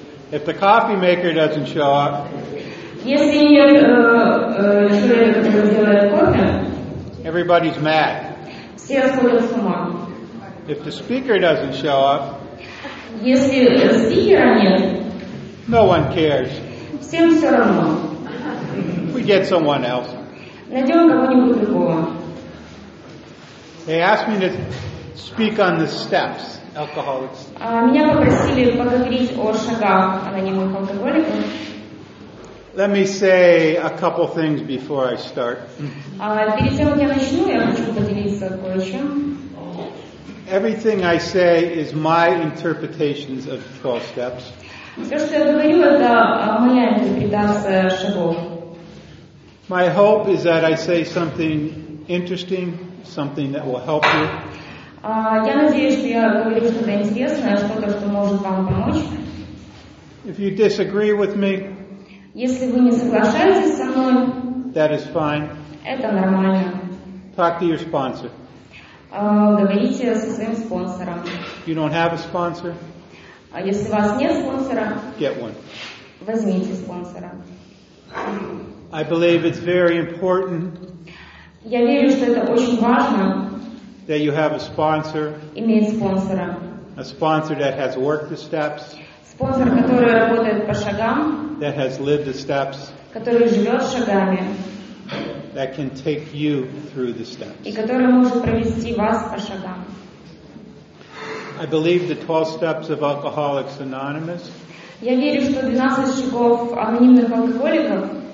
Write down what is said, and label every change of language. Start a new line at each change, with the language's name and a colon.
English: If the coffee maker doesn't show up.
Russian: Если нет человека, который делает кофе.
English: Everybody's mad.
Russian: Все сходят с ума.
English: If the speaker doesn't show up.
Russian: Если спикера нет.
English: No one cares.
Russian: Всем все равно.
English: We get someone else.
Russian: Найдем кого-нибудь другого.
English: They asked me to speak on the steps, alcoholics.
Russian: Меня попросили поговорить о шагах анонимных алкоголиков.
English: Let me say a couple things before I start.
Russian: Перед тем, как я начну, я хочу поделиться кое-чем.
English: Everything I say is my interpretations of 12 steps.
Russian: Все, что я говорю, это моя интерпретация шагов.
English: My hope is that I say something interesting, something that will help you.
Russian: Я надеюсь, что я говорю что-то интересное, что-то, что может вам помочь.
English: If you disagree with me,
Russian: если вы не соглашаетесь со мной,
English: that is fine.
Russian: Это нормально.
English: Talk to your sponsor.
Russian: Говорите со своим спонсором.
English: You don't have a sponsor?
Russian: Если у вас нет спонсора,
English: get one.
Russian: Возьмите спонсора.
English: I believe it's very important.
Russian: Я верю, что это очень важно.
English: That you have a sponsor.
Russian: Иметь спонсора.
English: A sponsor that has worked the steps.
Russian: Спонсор, который работает по шагам.
English: That has lived the steps.
Russian: Который живет шагами.
English: That can take you through the steps.
Russian: И который может провести вас по шагам.
English: I believe the 12 steps of Alcoholics Anonymous.
Russian: Я верю, что 12 шагов анонимных алкоголиков.